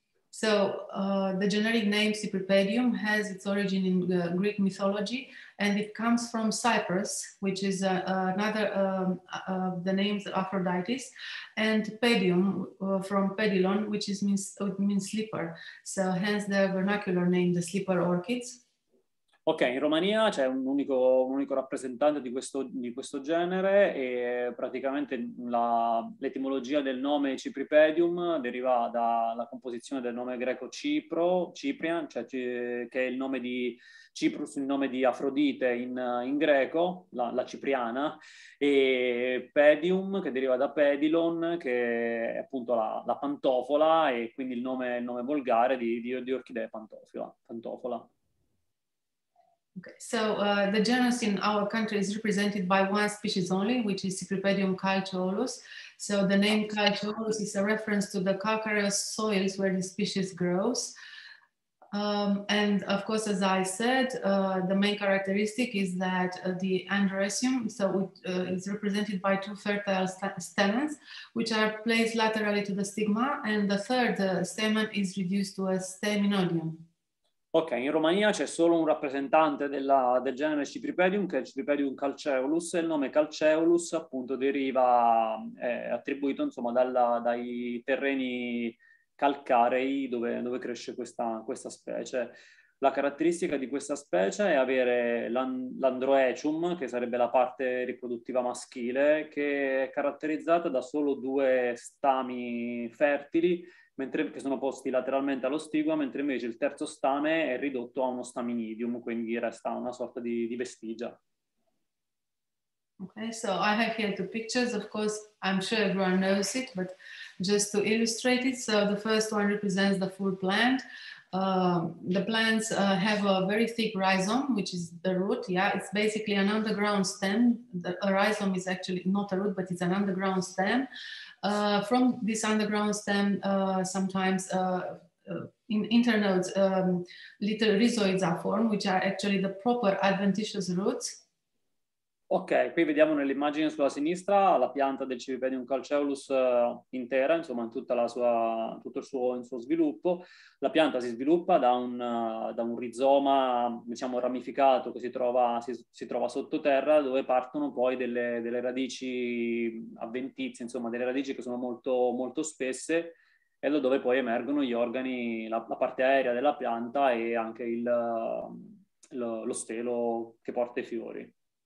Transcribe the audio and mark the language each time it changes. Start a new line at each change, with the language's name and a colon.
English: So the generic name Cypripedium has its origin in Greek mythology, and it comes from Cyprus, which is another of the names of Aphrodite, and pedium from pedilon, which means slipper. So hence the vernacular name, the slipper orchids.
Italian: Ok, in Romania c'è un unico rappresentante di questo genere, e praticamente l'etimologia del nome Cypripedium deriva dalla composizione del nome greco Cipro, Cyprian, cioè che è il nome di Cyprus, il nome di Afrodite in greco, la cipriana, e pedium, che deriva da pedilon, che è appunto la pantofola, e quindi il nome volgare di orchidea pantofola.
English: Okay, so the genus in our country is represented by 1 species only, which is Cypripedium calceolus. So the name calceolus is a reference to the calcareous soils where the species grows. And of course, as I said, the main characteristic is that the androecium, so it is represented by 2 fertile stamens, which are placed laterally to the stigma, and the third stamen is reduced to a staminodium.
Italian: Ok, in Romania c'è solo un rappresentante del genere Cypripedium, che è Cypripedium calceolus, e il nome calceolus appunto deriva, è attribuito insomma dai terreni calcarei dove cresce questa specie. La caratteristica di questa specie è avere l'androecium, che sarebbe la parte riproduttiva maschile, che è caratterizzata da solo 2 stami fertili, che sono posti lateralmente allo stigma, mentre invece il terzo stame è ridotto a uno staminidium, quindi resta una sorta di vestigia.
English: Okay, so I have here two pictures. Of course, I'm sure everyone knows it, but just to illustrate it. So the first one represents the full plant. The plants have a very thick rhizome, which is the root. Yeah, it's basically an underground stem. A rhizome is actually not a root, but it's an underground stem. From this underground stem, sometimes in internodes, little rhizoids are formed, which are actually the proper adventitious roots.
Italian: Ok, qui vediamo nell'immagine sulla sinistra la pianta del Cypripedium calceolus intera, insomma tutta la sua, tutto il suo sviluppo. La pianta si sviluppa da un rizoma, diciamo, ramificato che si trova sottoterra, dove partono poi delle radici avventizie, insomma delle radici che sono molto, molto spesse, e da dove poi emergono gli organi, la parte aerea della pianta e anche lo stelo che porta i fiori.